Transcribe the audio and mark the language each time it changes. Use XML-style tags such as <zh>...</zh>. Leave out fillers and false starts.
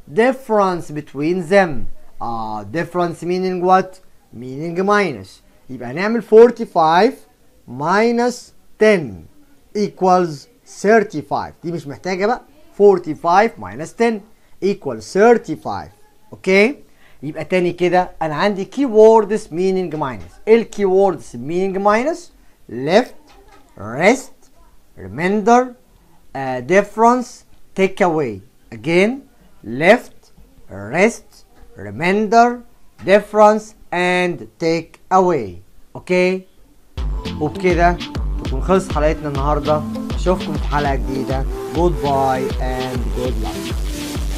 <en>Difference meaning what؟ meaning minus.</en> <ar>يبقى هنعمل 45 minus 10 equals 35. دي مش محتاجة بقى. 45</ar> <en>minus 10 equals</en> <ar>35. okay، يبقى تاني كده انا عندي</ar> <en>keywords meaning minus. ال keywords meaning minus: left, rest, remainder, difference, take away. again: left, rest, remainder, difference and take away.</en> <ar>okay، وبكده تكون خلصت حلقتنا النهارده. اشوفكم في حلقه جديده.</ar> <en>goodbye and good luck.</en>